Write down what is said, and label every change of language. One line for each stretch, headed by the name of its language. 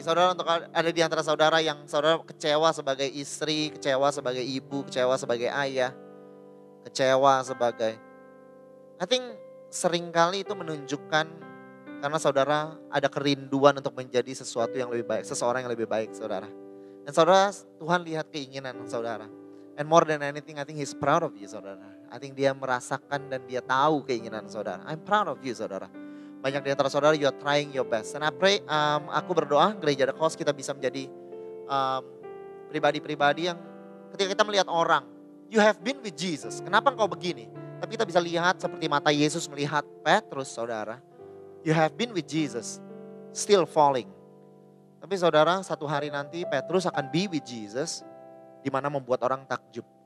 Indonesian: Saudara, untuk ada di antara saudara yang saudara kecewa sebagai istri, kecewa sebagai ibu, kecewa sebagai ayah, kecewa sebagai,
English: I think
Indonesian: seringkali itu menunjukkan karena saudara ada kerinduan untuk menjadi sesuatu yang lebih baik, seseorang yang lebih baik saudara. Dan saudara, Tuhan lihat keinginan saudara.
English: And more than anything, I think he's proud of you saudara. I think
Indonesian: dia merasakan dan dia tahu keinginan saudara.
English: I'm proud of you saudara.
Indonesian: Banyak di antara saudara,
English: you are trying your best. And I pray,
Indonesian: aku berdoa gereja The Cause kita bisa menjadi pribadi-pribadi yang ketika kita melihat orang,
English: you have been with Jesus.
Indonesian: Kenapa engkau begini? Tapi kita bisa lihat seperti mata Yesus melihat Petrus, saudara.
English: You have been with Jesus, still falling.
Indonesian: Tapi saudara, satu hari nanti Petrus akan
English: be with Jesus,
Indonesian: di mana membuat orang takjub.